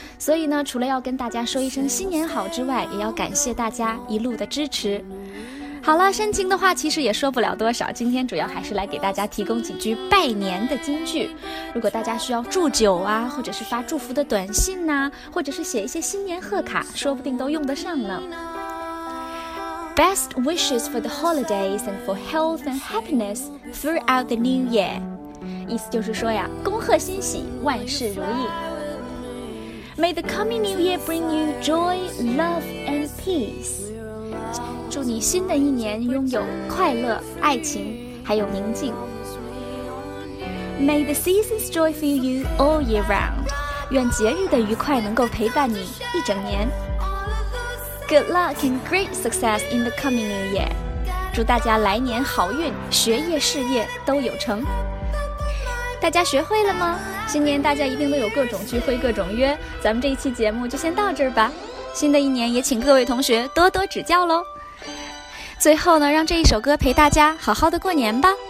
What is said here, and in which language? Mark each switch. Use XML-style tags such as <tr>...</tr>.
<zh>所以呢，除了要跟大家说一声新年好之外，也要感谢大家一路的支持。好了，煽情的话其实也说不了多少，今天主要还是来给大家提供几句拜年的金句。如果大家需要祝酒啊，或者是发祝福的短信呐、或者是写一些新年贺卡，说不定都用得上呢。</zh> <en>Best wishes for the holidays and for health and happiness throughout the new year.</en> <zh>意思就是说呀，恭贺新喜，万事如意。</zh> <en>May the coming new year bring you joy, love and peace.</en> <zh>祝你新的一年拥有快乐、爱情，还有宁静。</zh> <en>May the seasons joy fill you all year round.</en> <zh>愿节日的愉快能够陪伴你一整年。</zh> <en>Good luck and great success in the coming new year.</en> <zh>祝大家来年好运，学业事业都有成。大家学会了吗？新年大家一定都有各种聚会、各种约。咱们这一期节目就先到这儿吧。新的一年也请各位同学多多指教喽。最后呢，让这一首歌陪大家好好的过年吧。</zh>